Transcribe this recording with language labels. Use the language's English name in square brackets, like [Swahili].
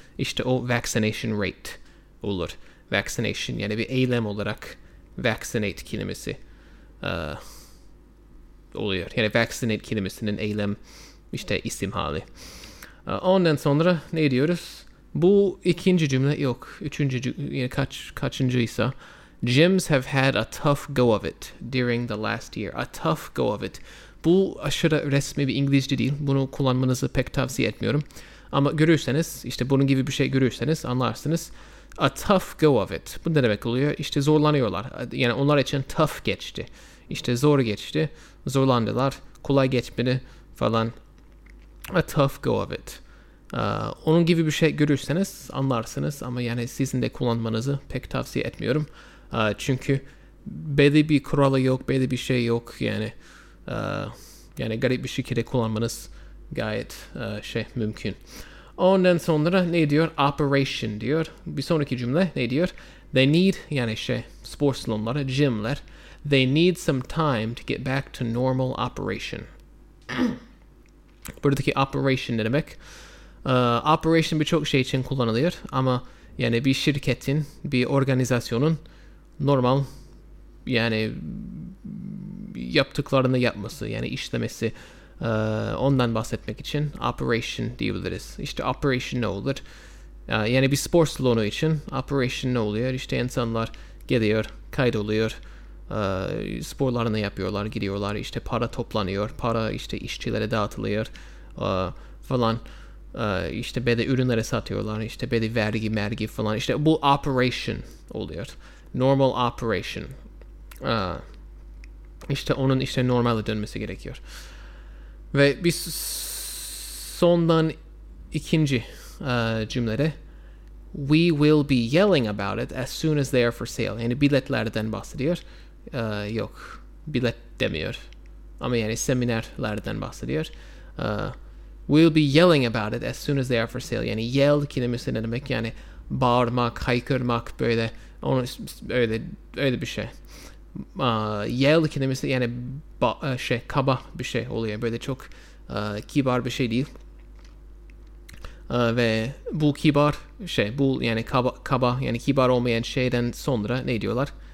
[Turkish] İşte o vaccination rate olur. Vaccination yani bir eylem olarak vaccinate kelimesi oluyor. Yani vaccinate kelimesinin eylem işte isim hali. Ondan sonra ne diyoruz? Bu ikinci cümle yok. Üçüncü yani kaçıncıysa. [English] Gyms have had a tough go of it during the last year. A tough go of it. [Turkish] Bu aşırı resmi bir İngilizce değil. Bunu kullanmanızı pek tavsiye etmiyorum. Ama görürseniz, işte bunun gibi bir şey görürseniz anlarsınız. A tough go of it. Bu ne demek oluyor? İşte zorlanıyorlar. Yani onlar için tough geçti. İşte zor geçti. Zorlandılar. Kolay geçmedi falan. [English] A tough go of it. [Turkish] Onun gibi bir şey görürseniz anlarsınız. Ama yani sizin de kullanmanızı pek tavsiye etmiyorum. Çünkü belli bir kuralı yok, belli bir şey yok. Yani yani garip bir şekilde kullanmanız gayet şey mümkün. Ondan sonra ne diyor? Operation diyor. Bir sonraki cümle ne diyor? [English] They need, [Turkish] yani şey, spor salonları, gymler. [English] They need some time to get back to normal operation. [Turkish] Buradaki operation ne demek? Operation birçok şey için kullanılıyor. Ama yani bir şirketin, bir organizasyonun normal yani yaptıklarını yapması, yani işlemesi. Ondan bahsetmek için operation diyebiliriz. İşte operation ne olur? Yani bir spor salonu için operation ne oluyor? İşte insanlar geliyor, kaydoluyor, sporlarını yapıyorlar, gidiyorlar, işte para toplanıyor, para işte işçilere dağıtılıyor falan. İşte belli ürünlere satıyorlar, işte belli vergi mergi falan. İşte bu operation oluyor. Normal operation. İşte onun işte normale dönmesi gerekiyor. Ve bir sondan ikinci cümlede [English] we will be yelling about it as soon as they are for sale. [Turkish] Yani biletlerden bahsediyor. Yok, bilet demiyor. Ama yani seminerlerden bahsediyor. [English] We'll be yelling about it as soon as they are for sale. [Turkish] Yani yell kelimesi ne demek? Yani bağırmak, haykırmak böyle. Onu, öyle bir şey. Yell kelimesi yani kaba bir şey oluyor. Böyle çok kibar bir şey değil. Ve bu kibar şey, bu yani kaba yani kibar olmayan şeyden sonra ne diyorlar?